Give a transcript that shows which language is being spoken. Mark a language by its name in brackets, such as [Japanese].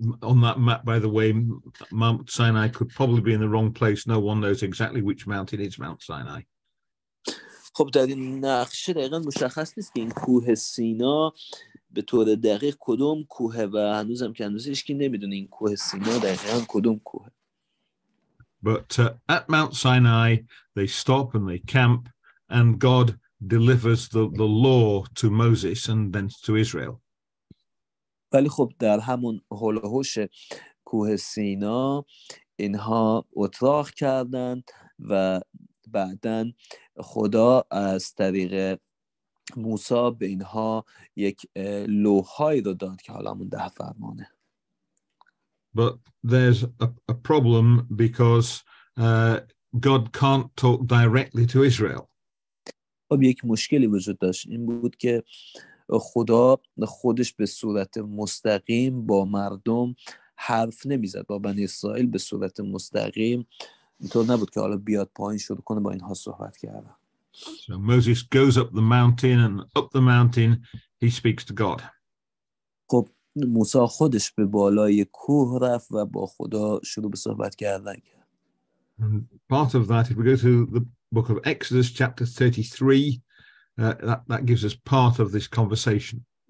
[English] On that map, by the way, Mount Sinai could probably be in the wrong place. No one knows exactly which mountain is Mount Sinai. [Persian] خب در این نقشه دقیقاً مشخص نیست که این کوه سینا به طور دقیق کدوم کوهه و هنوزم که هنوزش که نمیدونه این کوه سینا دقیقاً کدوم کوهه. [English] But at Mount Sinai, they stop and they camp, and God delivers the law to Moses and then to Israel. [Persian] ولی خب در همون هول و هوش کوه سینا اینها اتراق کردن و بعدن خدا از طریق موسی به اینها یک لوحایی رو داد که حالا همون ده فرمانه. [English] But there's a problem because God can't talk directly to Israel. [Persian] خب یک مشکلی وجود داشت، این بود که خدا خودش به صورت مستقیم با مردم حرف نمیزد، با بنی اسرائیل به صورت مستقیم اینطور نبود که حالا بیاد پایین شروع کنه با اینها صحبت کردن. [English] So Moses goes up the mountain and up the mountain he speaks to God. [Persian] خب موسی خودش به بالای کوه رفت و با خدا شروع به صحبت کردن کرد. [English] And part of that, if we go to the book of Exodus chapter 33, that gives us part of this conversation.